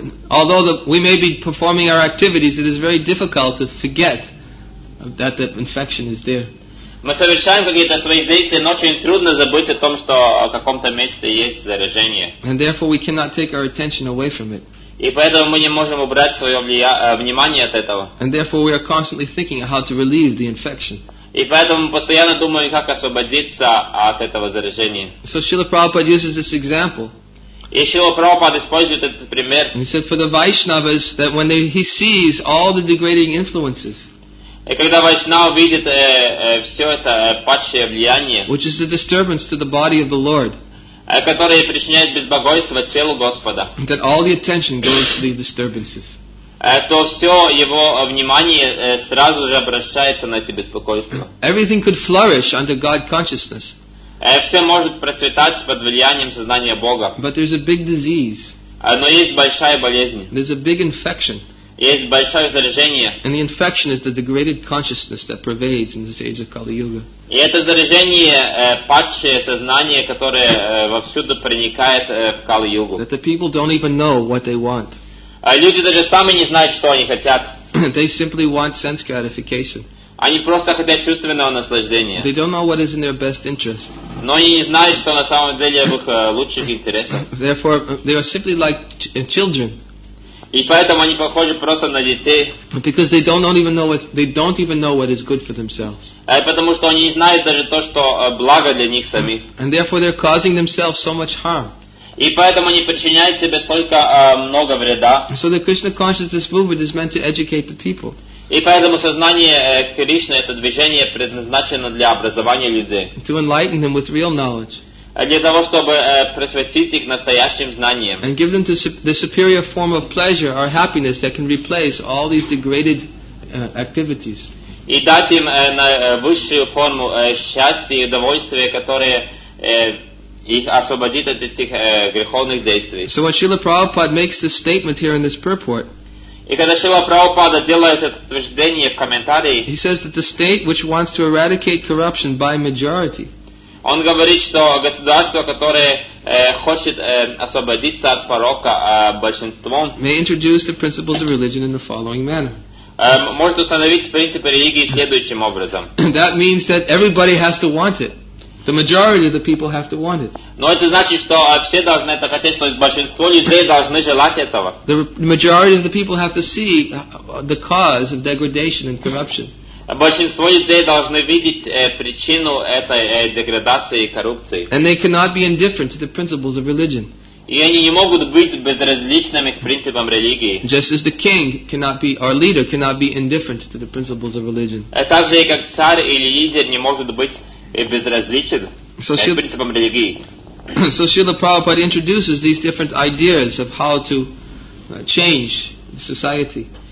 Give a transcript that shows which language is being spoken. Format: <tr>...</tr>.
<en>Although we may be performing our activities, it is very difficult to forget that the infection is there.</en> <ru>Мы совершаем какие-то свои действия, но очень трудно забыть о том, что в каком-то месте есть заражение.</ru> <en>And therefore we cannot take our attention away from it.</en> <ru>И поэтому мы не можем убрать свое внимание от этого.</ru> <en>And therefore we are constantly thinking how to relieve the infection.</en> <ru>И поэтому мы постоянно думаем, как освободиться от этого заражения.</ru> <en>So Srila Prabhupada uses this example.</en> <ru>И Шрила Прабхупада использует этот пример.</ru> <en>He said for the Vaishnavas that when he sees all the degrading influences.</en> <ru>И когда Вайшнава видит все это падшее влияние.</ru> <en>Which is the disturbance to the body of the Lord.</en> <ru>Которые причиняют безбогойство телу Господа.</ru> <en>That all the attention goes to the disturbances.</en> <ru>То все его внимание сразу же обращается на эти беспокойства.</ru> <en>Everything could flourish under God consciousness.</en> <ru>Все может процветать под влиянием сознания Бога.</ru> <en>But there's a big disease.</en> <ru>Но есть большая болезнь.</ru> <en>There's a big infection.</en> <ru>Есть большое заражение.</ru> <en>And the infection is the degraded consciousness that pervades in this age of Kali Yuga.</en> <ru>И это заражение падшее сознание, которое вовсюду проникает в Кали Югу.</ru> <en>That the people don't even know what they want.</en> <ru>Люди даже сами не знают, что они хотят.</ru> <en>They simply want sense gratification.</en> <ru>Они просто хотят чувственного наслаждения.</ru> <en>They don't know what is in their best interest.</en> <ru>Но они не знают, что на самом деле в их лучших интересах.</ru> <en>Therefore, they are simply like children.</en> <ru>И поэтому они похожи просто на детей.</ru> <en>Because they don't even know what is good for themselves.</en> <ru>Потому что они не знают даже то, что благо для них самих.</ru> <en>And therefore, they're causing themselves so much harm.</en> <ru>И поэтому они причиняют себе столько много вреда.</ru> <en>So the Krishna consciousness movement is meant to educate the people.</en> <ru>И поэтому сознание Кришны, это движение, предназначено для образования людей.</ru> <en>To enlighten them with real knowledge.</en> <ru>Для того, чтобы просветить их настоящим знанием.</ru> <en>And give them the superior form of pleasure or happiness that can replace all these degraded activities.</en> <ru>И дать им высшую форму счастья и удовольствия, которые их освободит от этих греховных действий.</ru> <en>So when Srila Prabhupada makes this statement here in this purport,</en> <ru>и когда Шрила Прабхупада делает это утверждение в комментарии,</ru> <en>he says that the state which wants to eradicate corruption by majority,</en> <ru>он говорит, что государство, которое хочет освободиться от порока большинством,</ru> <en>may introduce the principles of religion in the following manner.</en> <ru>Может установить принципы религии следующим образом.</ru> <en>That means that everybody has to want it. The majority of the people have to want it.</en> <ru>Но это значит, что все должны это хотеть, что большинство людей должны желать этого.</ru> <en>The majority of the people have to see the cause of degradation and corruption.</en> <ru>Большинство людей должны видеть причину этой деградации и коррупции.</ru> <en>And they cannot be indifferent to the principles of religion.</en> <ru>И они не могут быть безразличными к принципам религии.</ru> <en>Just as the king cannot be, our leader cannot be indifferent to the principles of religion.</en> <ru>Так же, как царь или лидер не может быть безразличен к принципам религии.</ru> <en>So Srila Prabhupada introduces these different ideas of how to change society.</en>